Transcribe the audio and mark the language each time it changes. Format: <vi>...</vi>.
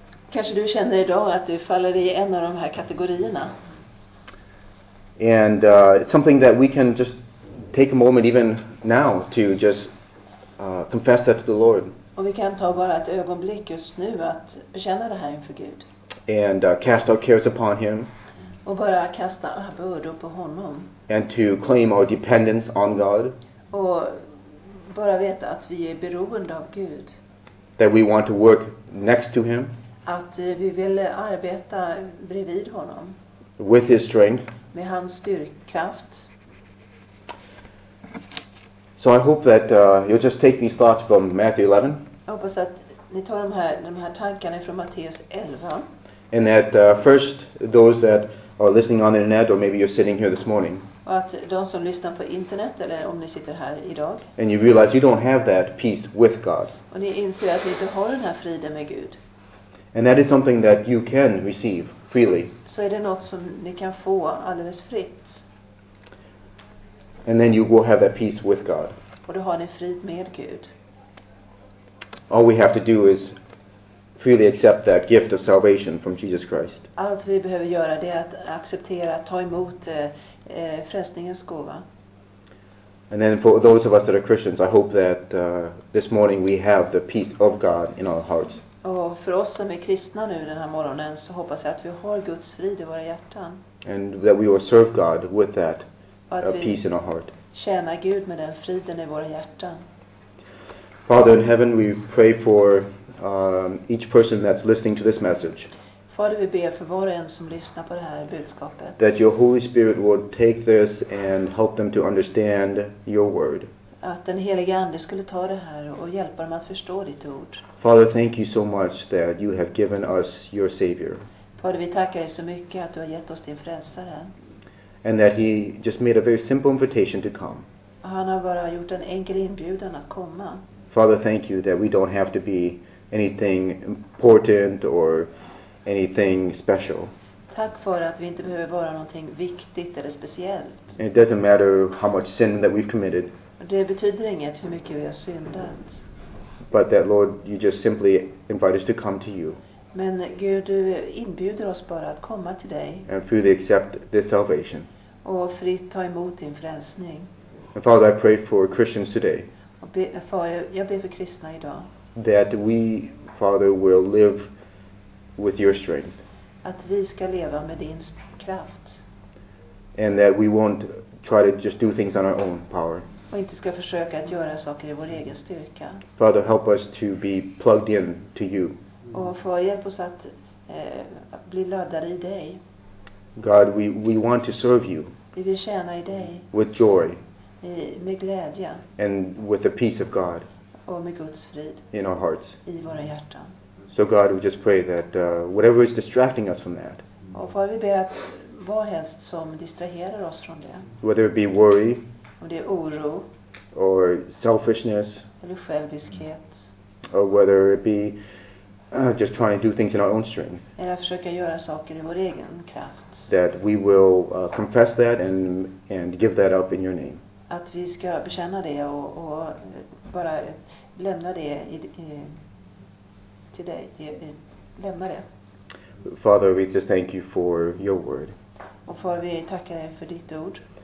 <sv>Kanske du känner idag att du faller i en av de här kategorierna.</sv> <en>And it's something that we can just take a moment even now to just confess that to the Lord.</en> <sv>Och vi kan ta bara ett ögonblick just nu att bekänna det här inför Gud.</sv> <en>And cast our cares upon him.</en> <sv>Och bara kasta alla bördor på honom.</sv> <en>And to claim our dependence on God.</en> <sv>Och bara veta att vi är beroende av Gud.</sv> <en>That we want to work next to him.</en> <sv>Att vi vill arbeta bredvid honom.</sv> <en>With his strength.</en> <sv>Med hans styrkkraft.</sv> <en>So I hope that you'll just take these thoughts from Matthew 11.</en> <sv>Jag hoppas att ni tar de här tankarna från Matteus 11.</sv> <en>And that first those that are listening on the internet or maybe you're sitting here this morning.</en> <sv>Och att de som lyssnar på internet eller om ni sitter här idag.</sv> <en>And you realize you don't have that peace with God.</en> <sv>Och ni inser att ni inte har den här friden med Gud.</sv> <en>And that is something that you can receive freely.</en> <sv>Så är det något som ni kan få alldeles fritt.</sv> <en>And then you will have that peace with God.</en> <sv>Och då har ni frid med Gud.</sv> <en>All we have to do is freely accept that gift of salvation from Jesus Christ.</en> <sv>Allt vi behöver göra det är att acceptera, att ta emot frälsningens gåva.</sv> <en>And then for those of us that are Christians, I hope that this morning we have the peace of God in our hearts.</en> <sv>Och för oss som är kristna nu den här morgonen så hoppas jag att vi har Guds frid i våra hjärtan.</sv> <en>And that we will serve God with that peace in our heart.</en> <sv>Tjäna Gud med den friden i våra hjärtan.</sv> <en>Father in heaven, we pray for each person that's listening to this message.</en> <sv>Fader, vi ber för var och en som lyssnar på det här budskapet.</sv> <en>That your Holy Spirit would take this and help them to understand your word.</en> <sv>Att den helige ande skulle ta det här och hjälpa dem att förstå ditt ord.</sv> <en>Father, thank you so much that you have given us your savior.</en> <sv>Fader, vi tackar dig så mycket att du har gett oss din frälsare.</sv> <en>And that he just made a very simple invitation to come.</en> <sv>Han har bara gjort en enkel inbjudan att komma.</sv> <en>Father, thank you that we don't have to be anything important or anything special.</en> <sv>Tack för att vi inte behöver vara någonting viktigt eller speciellt.</sv> <en>And it doesn't matter how much sin that we've committed.</en> <sv>Det betyder inget hur mycket vi har syndat.</sv> <en>But that Lord, you just simply invite us to come to you.</en> <sv>Men Gud, du inbjuder oss bara att komma till dig.</sv> <en>And freely accept this salvation.</en> <sv>Och fritt ta emot din frälsning.</sv> <en>And Father, I pray for Christians today.</en> <sv>Jag ber för kristna idag.</sv> <en>That we, Father, will live with your strength.</en> <sv>Att vi ska leva med din kraft.</sv> <en>And that we won't try to just do things on our own power.</en> <sv>Och inte ska försöka att göra saker i vår egen styrka.</sv> <en>Father, help us to be plugged in to you.</en> <sv>Och för hjälp oss att bli laddade i dig.</sv> <en>God, we want to serve you.</en> <sv>Vi vill tjäna i dig.</sv> <en>With joy.</en> <sv>Med glädje.</sv> <en>And with the peace of God.</en> <sv>Och med Guds frid.</sv> <en>In our hearts.</en> <sv>I våra hjärtan.</sv> <en>So God, we just pray that whatever is distracting us from that.</en> <sv>Och för vi ber att vad helst som distraherar oss från det.</sv> <en>Whether it be worry.</en> <sv>Om det är oro.</sv> <en>Or selfishness.</en> <sv>Eller själviskhet.</sv> <en>Or whether it be just trying to do things in our own strength.</en> <sv>Eller att försöka göra saker i vår egen kraft.</sv> <en>That we will confess that and give that up in your name.</en> <sv>Att vi ska bekänna det och bara lämna det till dig. Lämna det.</sv> <en>Father, we just thank you for your word.</en> <sv>Och för vi tackar dig för ditt ord.</sv>